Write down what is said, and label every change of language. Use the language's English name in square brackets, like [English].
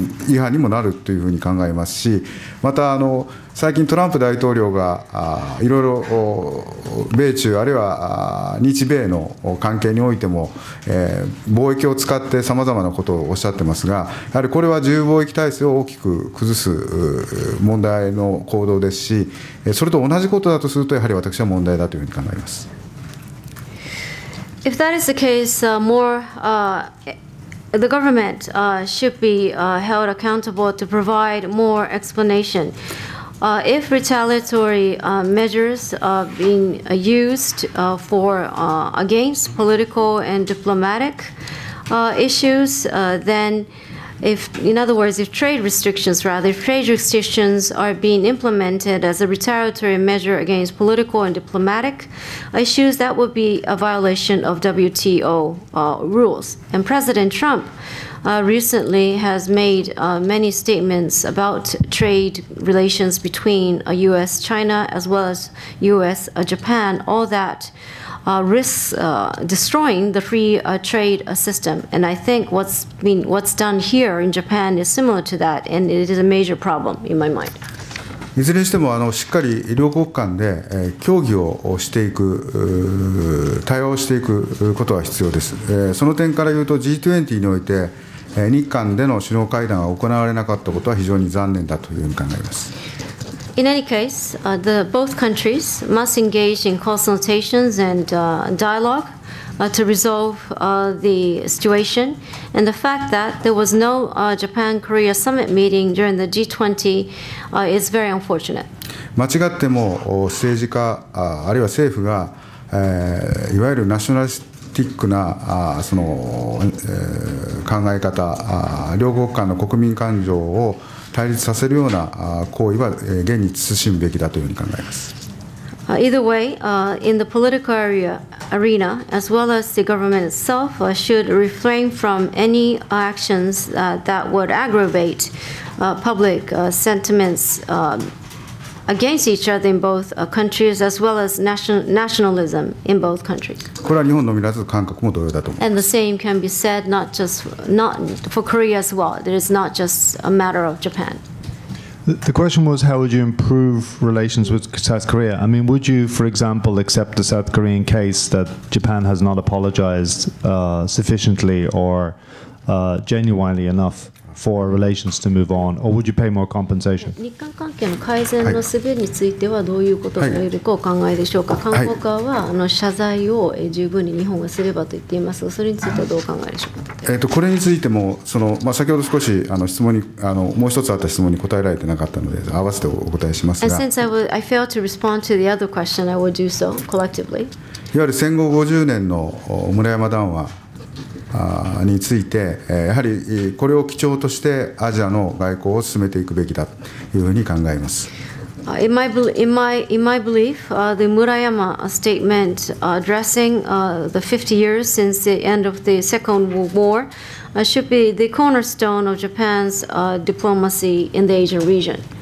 [Japanese] 違反にもなるというふうに考えますし、また最近トランプ大統領がいろいろ米中あるいは日米の関係においても貿易を使ってさまざまなことをおっしゃってますが、やはりこれは自由貿易体制を大きく崩す問題の行動ですし、それと同じことだとすると、やはり私は問題だというふうに考えます。 [English] If that is the case, more the government should be held accountable to provide more explanation. If retaliatory measures are being used for against political and diplomatic issues, then if, in other words, if trade restrictions, rather, if trade restrictions are being implemented as a retaliatory measure against political and diplomatic issues, that would be a violation of WTO rules. And President Trump recently has made many statements about trade relations between U.S.-China as well as U.S.-Japan, all that risks destroying the free trade system. And I think what's done here in Japan is similar to that, and it is a major problem in my mind. [Japanese] いずれにしてもしっかり両国間で協議をしていく、対話をしていくことは必要です。その点から言うと、 G20 において日韓での首脳会談が行われなかったことは非常に残念だというふうに考えます。 [English] In any case, both countries must engage in consultations and dialogue to resolve the situation. And the fact that there was no Japan-Korea summit meeting during the G20 is very unfortunate. [Japanese] 間違っても政治家あるいは政府がいわゆるナショナリストティックな考え方、両国間の国民感情を対立させるような行為は現に慎むべきだというふうに考えます。 [English] Either way, in the political arena, as well as the government itself, should refrain from any actions that would aggravate public sentiments against each other in both countries, as well as nationalism in both countries. [Japanese] これは日本のみならず韓国も同様だと思います。 [English] And the same can be said not for Korea as well. It is not just a matter of Japan. The question was, how would you improve relations with South Korea? I mean, would you, for example, accept the South Korean case that Japan has not apologized sufficiently or genuinely enough for relations to move on, or would you pay more compensation? [Japanese] 日韓関係の改善のすべについてはどういうことがよりかお考えでしょうか。韓国側は謝罪を十分に日本がすればと言っていますが、それについてはどうお考えでしょうか。これについても、先ほど少し質問にもう一つあった質問に答えられてなかったので合わせてお答えしますが、 [English] And since I failed to respond to the other question, I will do so collectively. [Japanese] いわゆる戦後50年の村山談話について、やはりこれを基調としてアジアの外交を進めていくべきだというふうに考えます。 [English] In my belief, the Murayama statement addressing the 50 years since the end of the Second World War should be the cornerstone of Japan's diplomacy in the Asian region.